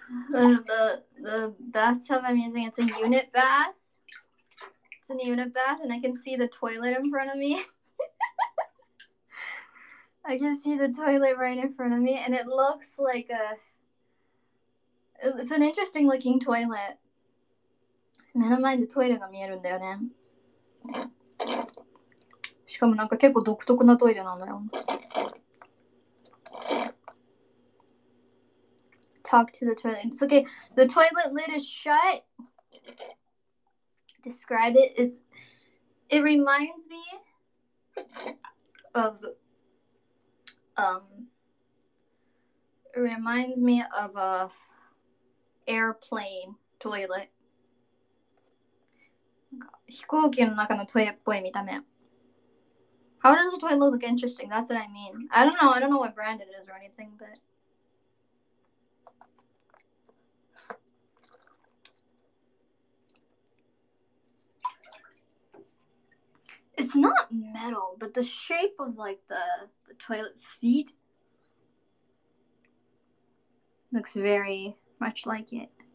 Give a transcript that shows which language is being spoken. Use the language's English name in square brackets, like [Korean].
[English] The bathtub I'm using, it's a unit bath. It's a unit bath, and I can see the toilet in front of me. I can see the toilet right in front of me, and it looks like a... It's an interesting looking toilet. [Japanese] 目の前でトイレが見えるんだよね。しかもなんか結構独特なトイレなんだよ。 [English] Talk to the toilet. It's okay. The toilet lid is shut. Describe it. It reminds me of reminds me of a airplane toilet. [Japanese] 飛行機の中のトイレっぽい見た目。 [English] How does the toilet look interesting? That's what I mean. I don't know what brand it is or anything, but... It's not metal, but the shape of like the toilet seat looks very much like it.